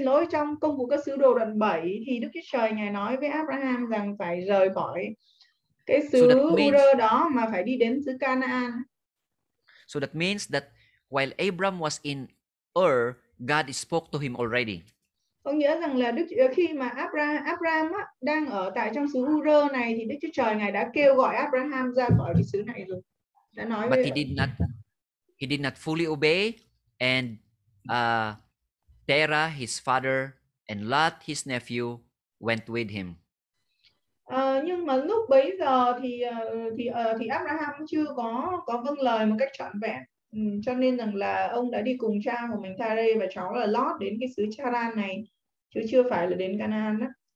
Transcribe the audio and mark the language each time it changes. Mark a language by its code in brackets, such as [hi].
[vi] Trong công vụ các sứ đồ đoạn 7 thì Đức Chúa Trời Ngài nói với Abraham rằng phải rời khỏi cái xứ Ur đó mà phải đi đến xứ Canaan. [en] So that means that while Abram was in Ur, God spoke to him already. [vi] Có nghĩa rằng là khi mà Abraham á, đang ở tại trong xứ Ur này thì Đức Chúa Trời Ngài đã kêu gọi Abraham ra khỏi cái xứ này rồi. Đã nói [en] But he did not fully obey and Terah, his father, and Lot, his nephew, went with him. [vi] Nhưng mà lúc bấy giờ thì Abraham chưa có vâng lời một cách trọn vẹn, cho nên rằng là ông đã đi cùng cha của mình Terah và cháu là Lot đến cái xứ Charan này, chứ chưa phải là đến Canaan đó.